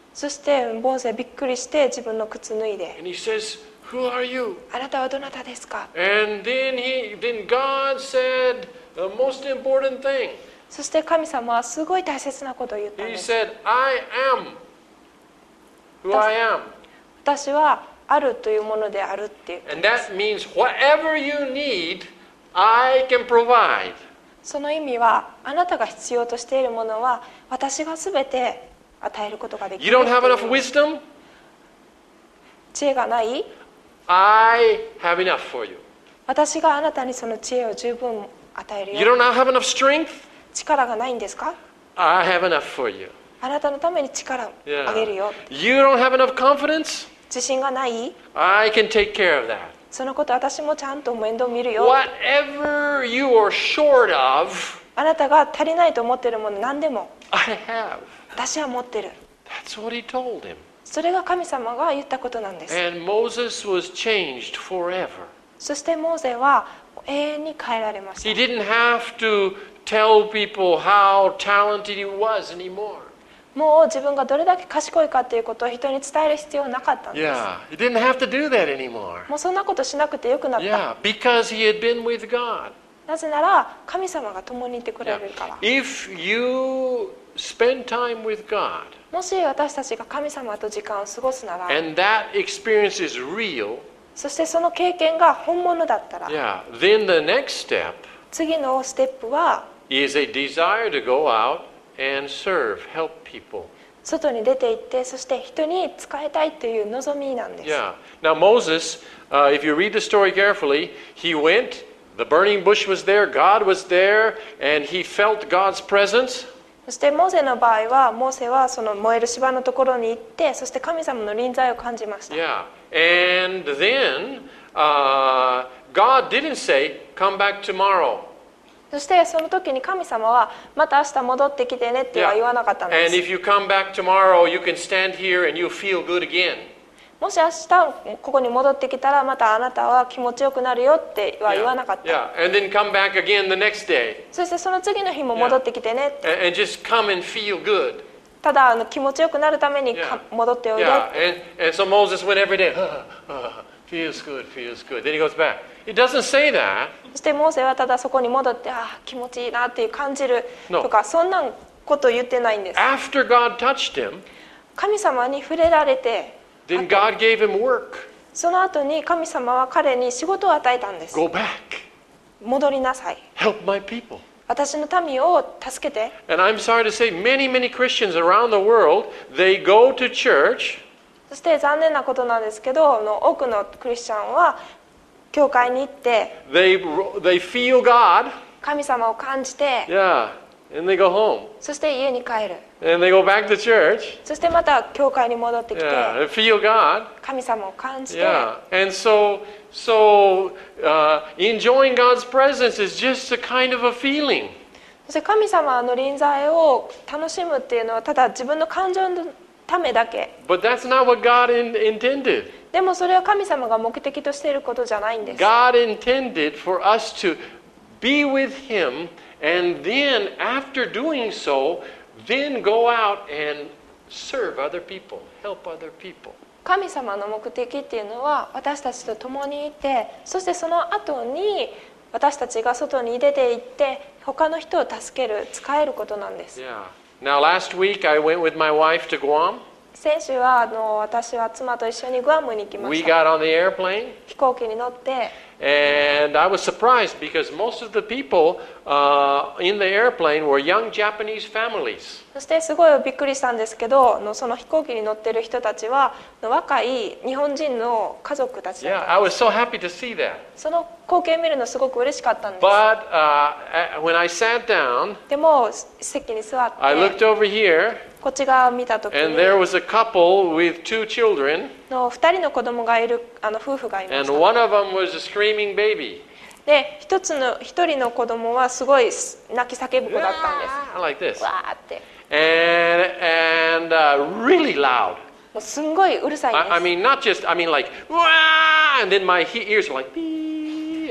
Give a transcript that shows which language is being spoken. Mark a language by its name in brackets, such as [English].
[Japanese] そしてモーセびっくりして自分の靴脱いで。 [English] And he says,Who are you? [Japanese] あなたはどなたですか? [English] And then then God said the most important thing. [Japanese] そして神様はすごい大切なことを言ったんです。 [English] He said, I am who I am. [Japanese] 私はあるというものであるっていう。 [English] And that means whatever you need, I can provide. [Japanese] その意味は、あなたが必要としているものは私がすべて与えることができる。 [English] You don't have enough wisdom? [Japanese] 知恵がない? [English] I have enough for you. [Japanese] 私があなたにその知恵を十分与えるよ。 [English] You don't have enough strength? [Japanese] 力がないんですか? [English] I have enough for you. [Japanese] あなたのために力をあげるよ。 [English] Yeah. You don't have enough confidence? [Japanese] 自信がない? [English] I can take care of that. [Japanese] そのこと私もちゃんと面倒見るよ。 [English] Whatever you are short of, [Japanese] あなたが足りないと思っているもの何でも、 [English] I have. [Japanese] 私は持ってる。 [English] That's what he told him. [Japanese] それが神様が言ったことなんです。 [English] And Moses was changed forever. [Japanese] そしてモーゼは永遠に変えられました。 [English] He didn't have to tell people how talented he was anymore. [Japanese] もう自分がどれだけ賢いかということを人に伝える必要はなかったんです。 [English] Yeah, he didn't have to do that anymore. [Japanese] もうそんなことしなくてよくなった。 [English] Yeah, because he had been with God. [Japanese] なぜなら神様が共にいてくれるから。 [English] Yeah. If you spend time with God. [Japanese] もし私たちが神様と時間を過ごすなら、 [English] And that experience is real, [Japanese] そしてその経験が本物だったら、 [English] yeah. Then the next step, [Japanese] 次のステップは、 [English] is a desire to go out and serve, help people. [Japanese] 外に出て行って、そして人に使いたいという望みなんです。 [English] Yeah. Now Moses, if you read the story carefully, he went, the burning bush was there, God was there, and he felt God's presence. [Japanese] そしてモーセの場合は、モーセはその燃える芝のところに行って、そして神様の臨在を感じました。 [English] Yeah. And then, God didn't say, come back tomorrow. [Japanese] そしてその時に神様は、また明日戻ってきてねっては言わなかったんです。 [English] Yeah. And if you come back tomorrow, you can stand here and you'll feel good again. [Japanese] もし明日ここに戻ってきたら、またあなたは気持ちよくなるよっては言わなかった。 [English] Yeah. Yeah. And then come back again the next day. [Japanese] そしてその次の日も戻ってきてねって。 [English] Yeah. And just come and feel good. [Japanese] ただ気持ちよくなるために戻っておいで。 [English] Yeah. And so Moses went every day. feels good, feels good. Then he goes back. It doesn't say that. [Japanese] そしてモーセはただそこに戻って、ああ気持ちいいなっていう感じるとか、 [English] no. [Japanese] そんなこと言ってないんです。 [English] After God touched him, [Japanese] 神様に触れられて、 [English] Then God gave him work. [Japanese] その後に神様は彼に仕事を与えたんです。 [English] Go back. [Japanese] 戻りなさい。 [English] Help my people. [Japanese] 私の民を助けて。 [English] And I'm sorry to say, many, many Christians around the world, they go to church. [Japanese] そして残念なことなんですけど、多くのクリスチャンは教会に行って。 [English] They feel God. [Japanese] 神様を感じて。 [English] Yeah. And they go home. [Japanese] そして家に帰る。 [English] And they go back to church. [Japanese] そしてまた教会に戻ってきて。 [English] Yeah. And feel God. [Japanese] 神様を感じて。 [English] Yeah. And so. So, enjoying God's presence is just a kind of a feeling. [Japanese] そして神様の臨在を楽しむっていうのはただ自分の感情のためだけ。 [English] But that's not what God intended. [Japanese] でもそれは神様が目的としていることじゃないんです。 [English] God intended for us to be with Him and then after doing so, then go out and serve other people, help other people. [Japanese] 神様の目的っていうのは私たちと共にいて、そしてその後に私たちが外に出て行って他の人を助ける、使えることなんです。 [English] Yeah. Now last week I went with my wife to Guam. [Japanese] 先週は私は妻と一緒にグアムに行きました。 [English] We got on the airplane. [Japanese] 飛行機に乗って。 [English] And I was surprised because most of the people, in the airplane were young Japanese families. [Japanese] そしてすごいびっくりしたんですけど、その飛行機に乗ってる人たちは若い日本人の家族たちだった。 [English] Yeah, I was so happy to see that. [Japanese] その光景を見るのすごく嬉しかったんです。 [English] But, when I sat down, [Japanese] でも席に座って、 [English] I looked over here, [Japanese] こっち側を見た時に、 [English] and there was a couple with two children. [Japanese] の2人の子供がいる夫婦がいました。 [English] And one of them was a screaming baby. [Japanese] で、1人の子供はすごい泣き叫ぶ子だったんです。 [English] Yeah, like this. [Japanese] わーって。 [English] And really loud. [Japanese] もうすんごいうるさいんです。 [English] I mean, not just, I mean like, wah! And then my ears were like, beep!